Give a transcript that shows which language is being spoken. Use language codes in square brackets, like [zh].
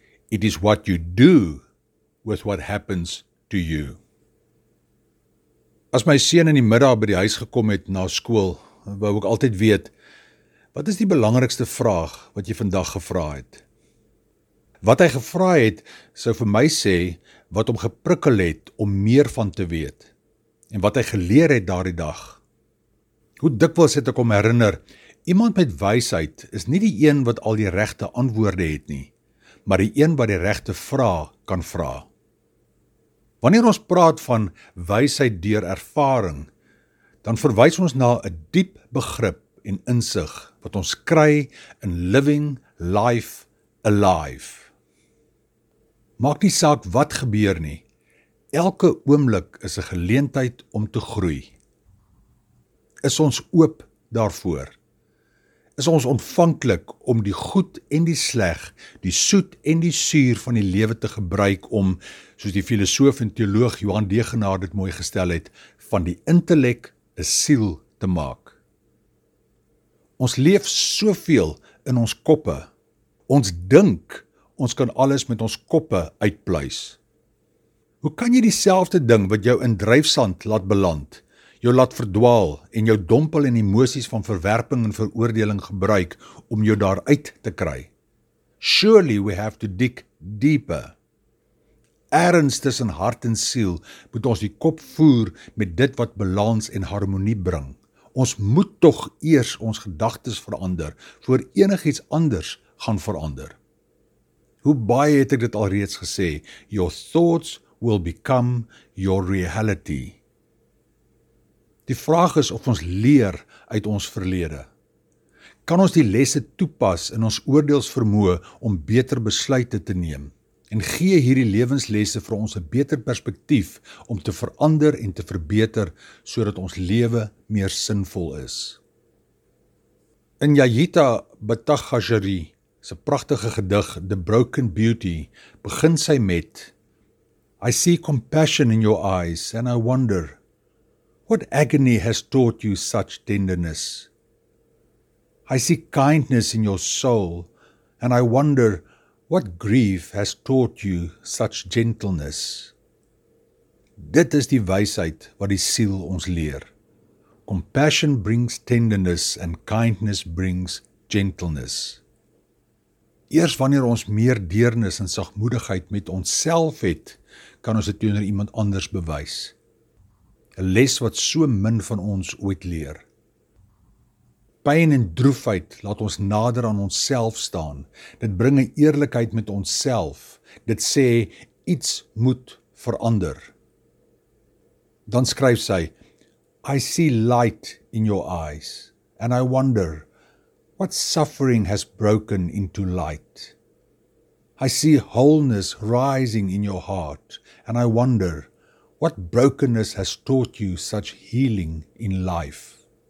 [en] It is what you do with what happens to you." [af] As my seun in die middag by die huis gekom het na skool, wou ek altyd weet, wat is die belangrikste vraag wat jy vandag gevra het? Wat hy gevra het, sou vir my sê wat hom geprikkel het om meer van te weet en wat hy geleer het daardie dag. Hoe dikwels het ek hom herinner, iemand met wysheid is nie die een wat al die regte antwoorde het nie, maar die een wat die regte vraag kan vra. Wanneer ons praat van wysheid deur ervaring, dan verwys ons na 'n diep begrip en insig wat ons kry in [en] living life alive. [af] Maak nie saak wat gebeur nie, elke oomblik is 'n geleentheid om te groei. Is ons oop daarvoor? Is ons ontvanklik om die goed en die sleg, die soet en die suur van die lewe te gebruik om, soos die filosoof en teoloog Johan Degenaar dit mooi gestel het, van die intellek 'n siel te maak? Ons leef soveel in ons koppe. Ons dink ons kan alles met ons koppe uitpluis. Hoe kan jy dieselfde ding wat jou in dryfsand laat beland, jou laat verdwaal en jou dompel in emosies van verwerping en veroordeling gebruik om jou daar uit te kry? [en] Surely we have to dig deeper. [af] Ergens tussen hart en siel moet ons die kop voer met dit wat balans en harmonie bring. Ons moet tog eers ons gedagtes verander voor enigiets anders gaan verander. Hoe baie het ek dit alreeds gesê, [en] your thoughts will become your reality. [af] Die vraag is of ons leer uit ons verlede. Kan ons die lesse toepas in ons oordeelsvermoë om beter besluite te neem en gee hierdie lewenslesse vir ons 'n beter perspektief om te verander en te verbeter sodat ons lewe meer sinvol is. In Yayita Bhattacharjee se pragtige gedig The Broken Beauty begin sy met: [en] "I see compassion in your eyes and I wonder, what agony has taught you such tenderness? I see kindness in your soul, and I wonder what grief has taught you such gentleness." [af] Dit is die wysheid wat die siel ons leer. [en] Compassion brings tenderness, and kindness brings gentleness. [af] Eers wanneer ons meer deernis en sagmoedigheid met onsself het, kan ons dit teenoor iemand anders bewys. 'n Les wat so min van ons ooit leer. Pyn en droefheid laat ons nader aan onsself staan. Dit bring 'n eerlikheid met onsself. Dit sê, iets moet verander. Dan skryf sy: [en] "I see light in your eyes, and I wonder, what suffering has broken into light? I see wholeness rising in your heart, and I wonder, what brokenness has taught you such healing in life?"